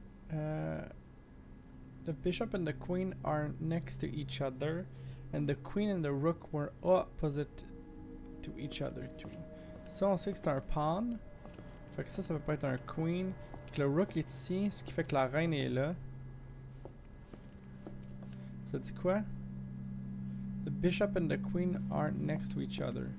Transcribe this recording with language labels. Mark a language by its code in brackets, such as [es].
[en] The bishop and the queen are next to each other. And the queen and the rook were opposite to each other too. [fr] So on sait que c'est un pawn. Fait que ça peut pas être un queen. Que le rook est ici, ce qui fait que la reine est là. Ça dit quoi? [en] The bishop and the queen aren't next to each other.